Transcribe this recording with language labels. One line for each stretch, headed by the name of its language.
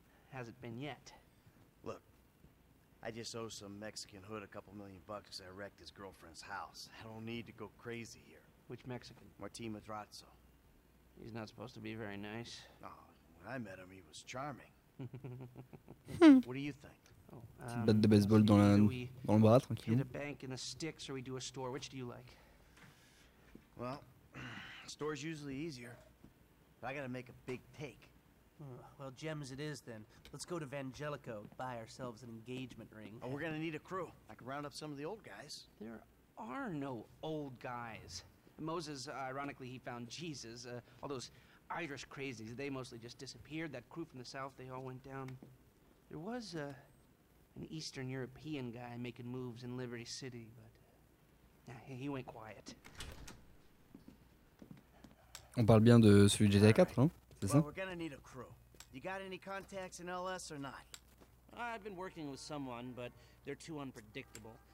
English: Has it been yet? Look, I just owe some Mexican hood a couple million bucks because I wrecked his girlfriend's house. I don't need to go crazy here. Which Mexican? Martín Madrazo. He's not supposed to be very nice. Oh, when I met him, he was charming. What do you think?
French: Petite batte de baseball dans le bras, tranquille.
English: Hit a bank in the sticks, or we do a store. Which do you like? Well. Store's usually easier, but I gotta make a big take. Well, gem as it is, then let's go to Vangelico, buy ourselves an engagement ring. Oh, we're gonna need a crew. I can round up some of the old guys. There are no old guys. Moses, ironically, he found Jesus. All those Irish crazies—they mostly just disappeared. That crew from the south—they all went down. There was an Eastern European guy making moves in Liberty City, but he went quiet.
French: On parle bien de celui de GTA 4, hein, c'est ça?
English: We're gonna need a crew. You got any contacts in LS or not? I've been working with someone, but they're too unpredictable.